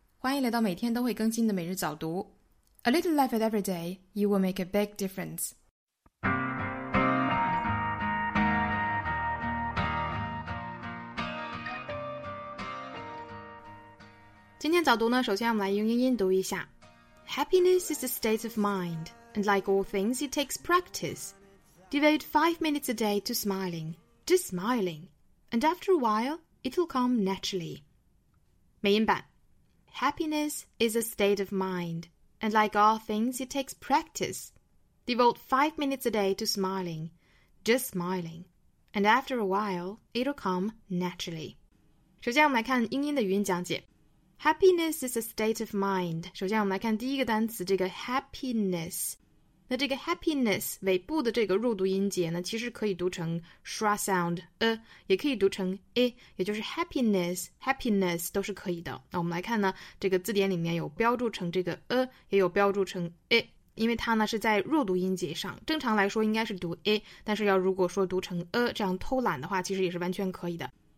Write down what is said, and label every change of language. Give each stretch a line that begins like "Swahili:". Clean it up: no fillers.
Chinese: 欢迎来到每天都会更新的每日早读。
English: A little life at every day, you will make a big difference.
Chinese: 今天早读呢，首先我们来用英音读一下。
English: Happiness is a state of mind, and like all things, it takes practice. Devote 5 minutes a day to smiling, just smiling, and after a while, it'll come naturally.
Chinese: 美音版
English: Happiness is a state of mind, and like all things, it takes practice. Devote 5 minutes a day to smiling, just smiling, and after a while, it'll come naturally.
Chinese: 首先我们来看英音的语音讲解
English: Happiness is a state of mind.
Chinese: 首先我们来看第一个单词这个 happiness. 那这个 happiness 尾部的这个入读音节呢其实可以读成 schwa sound、也可以读成 a 也就是 happiness 都是可以的那我们来看呢这个字典里面有标注成这个 也有标注成 a 因为它呢是在入读音节上正常来说应该是读 a 但是要如果说读成 这样偷懒的话其实也是完全可以的